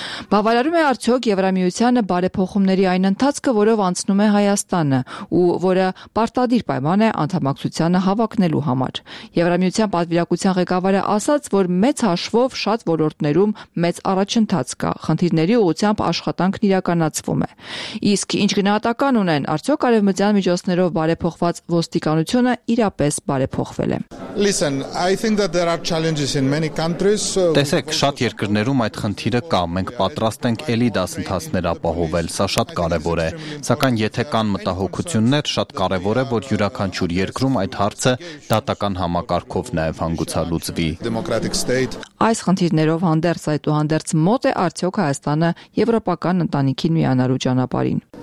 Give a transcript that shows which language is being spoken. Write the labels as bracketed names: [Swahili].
[Armenian] Բավարարում է արդյոք Եվրամիությանը բարեփոխումների այն ընթացքը, որով անցնում է Հայաստանը, ու որը պարտադիր պայման է անդամակցությանը հավակնելու համար։ Եվրամիության պատվիրակության ղեկավարը ասաց, որ մեծ հաշվով շատ ոլորտներում մեծ առաջընթաց կա, խնդիրների ուղղությամբ աշխատանքն իրականացվում է։ Իսկ ինչ գնահատական ունեն, արդյոք արևմտյան միջոցներով բարեփոխված ոստիկանությունը իրապես բարեփոխվել է։ [English] Listen, I think that there are challenges in many countries. [Armenian] Տեսեք, շատ երկրներում այդ խնդիրը կա, մենք պատրաստ ենք էլի դասընթացներ ապահովել, սա շատ կարևոր է։ Սակայն եթե կան մտահոգություններ, շատ կարևոր է, որ յուրաքանչյուր երկրում այդ հարցը դատական համակարգով նաև հանգուցալուծվի։ Այս խնդիրներով հանդերձ այդուհանդերձ մոտ է արդյոք Հայաստանը եվրոպական ընտանիքին միանալու ճանապարհին։